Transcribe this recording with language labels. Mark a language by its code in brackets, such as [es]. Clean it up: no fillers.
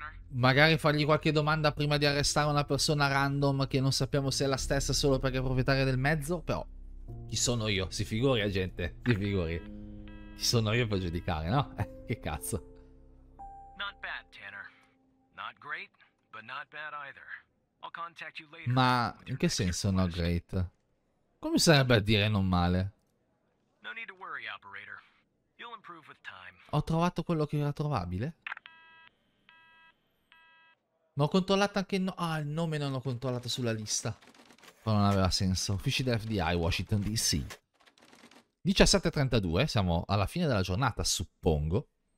[it] Magari fargli qualche domanda prima di arrestare una persona random che non sappiamo se è la stessa solo perché è proprietaria del mezzo. Però chi sono io? Si figuri, agente, si figuri. Chi sono io per giudicare, no? Che cazzo. [en] Not bad, Tanner. Not great, but not bad either. I'll contact you later. [it] Ma in che senso [en] not great? [it] Come sarebbe a dire non male? [en] No need to worry, operator. You'll improve with time. [it] Ho trovato quello che era trovabile. Ma ho controllato anche il nome. Ah, il nome non ho controllato sulla lista. Ma non aveva senso. Uffici dell'FBI, Washington DC. 17:32. Siamo alla fine della giornata, suppongo.